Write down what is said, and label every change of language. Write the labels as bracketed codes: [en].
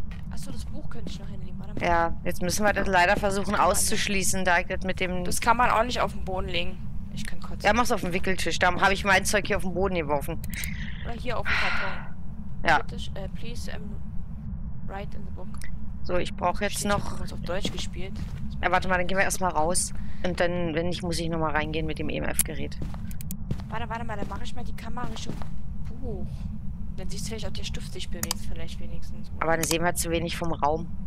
[de] Achso, das Buch könnte ich noch hinlegen. Warte mal. Ja, jetzt müssen wir das leider versuchen das auszuschließen, da ich das mit dem. Das kann man auch nicht auf den Boden legen. Ich kann kotzen. Ja, mach's auf den Wickeltisch. Da habe ich mein Zeug hier auf den Boden geworfen. Oder hier auf dem Karton. Ja. [en] Please, write in the book. [de] So, ich brauche jetzt noch. Ich hab das auf Deutsch gespielt. Ja, warte mal, dann gehen wir erstmal raus. Und dann, wenn nicht, muss ich nochmal reingehen mit dem EMF-Gerät. Warte mal, dann mache ich mal die Kamera Richtung Buch. Dann siehst du vielleicht, ob der Stift sich bewegt, vielleicht wenigstens. Aber dann sehen wir zu wenig vom Raum.